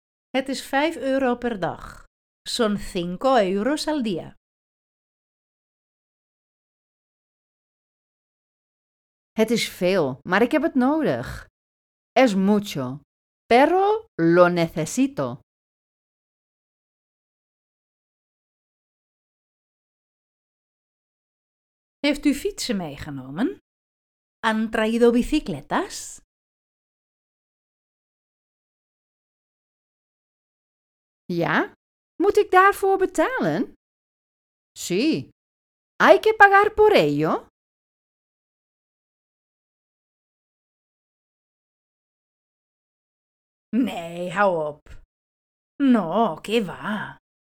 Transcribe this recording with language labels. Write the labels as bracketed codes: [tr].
[nl] Het is 5 euro per dag. [es] Son 5 euros al día. [nl] Het is veel, maar ik heb het nodig. [es] Es mucho, pero lo necesito. [nl] ¿Heeft u fietsen meegenomen? [es] ¿Han traído bicicletas? [nl] Ja, moet ik daarvoor betalen? [es] Sí, hay que pagar por ello. [nl] Nee, hou op. [es] No, qué va.